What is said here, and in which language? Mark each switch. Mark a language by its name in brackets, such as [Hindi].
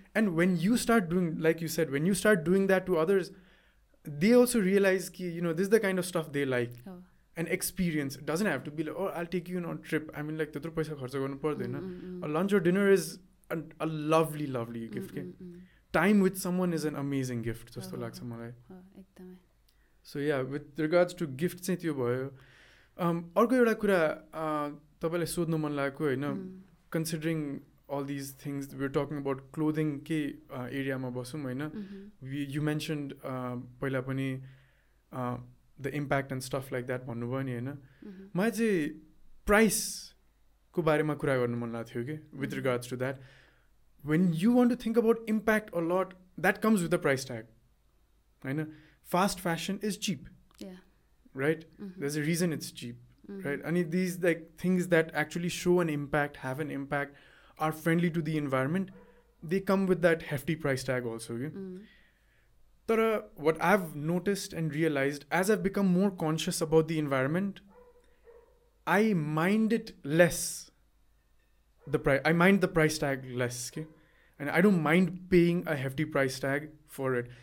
[English] and when you start doing like you said when you start doing that to others they also realize ki you know this is the kind of stuff they like oh. an experience it doesn't have to be like oh I'll take you on a trip I mean like [Nepali] tatro paisa kharcha garnu pardaina [English] a lunch or dinner is a lovely lovely gift okay? time with someone is an amazing gift [Nepali] jasto lagcha malai [English] so yeah with regards to gifts [Nepali] chai tyo bhayo arko euta kura तपाईँलाई सोध्नु मन लागेको होइन [English] considering all these things we are talking about clothing [Nepali] के एरियामा बसौँ होइन [English] you mentioned [Nepali] पहिला पनि [English] the impact and stuff like that [Nepali] भन्नुभयो नि होइन मलाई चाहिँ प्राइसको बारेमा कुरा गर्नु मन लाग्थ्यो कि [English] with regards to that when you want to think about impact a lot that comes with the price tag [Nepali] होइन [English] Fast fashion is cheap right there is a reason it's cheap Right, and these like things that actually show an impact, have an impact, are friendly to the environment, they come with that hefty price tag also. Okay? But what I've noticed and realized as I've become more conscious about the environment, I mind it less. I mind the price tag less, okay? And I don't mind paying a hefty price tag for it.